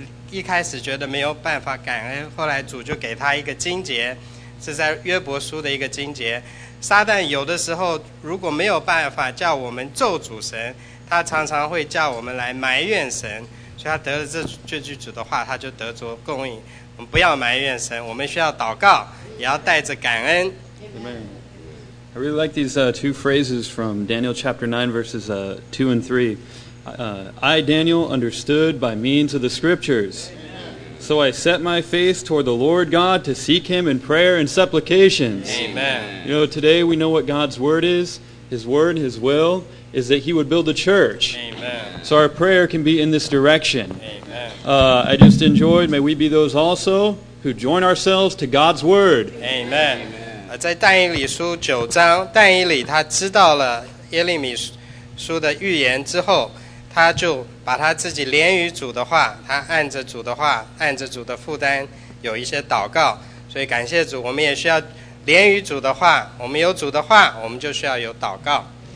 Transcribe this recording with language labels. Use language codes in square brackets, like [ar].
[zh] 一开始觉得没有办法感恩，后来主就给他一个经节，是在约伯书的一个经节。撒旦有的时候如果没有办法叫我们咒主神，他常常会叫我们来埋怨神，所以他得了这句主的话，他就得着供应。我们不要埋怨神，我们需要祷告，也要带着感恩。 [en] Amen. I really like these two phrases from Daniel chapter 9 verses 2 and 3. I, Daniel, understood by means of the scriptures.、Amen. So I set my face toward the Lord God to seek him in prayer and supplications. Amen. You know, today we know what God's word is. His word, his will, is that he would build a church. Amen. So our prayer can be in this direction. Amen. I just enjoyed, may we be those also who join ourselves to God's word. Amen. Amen. [zh] 在但以理书九章，但以理他知道了耶利米书的预言之后，他就把他自己连于主的话，他按着主的话，按着主的负担有一些祷告。所以感谢主，我们也需要连于主的话，我们有主的话，我们就需要有祷告。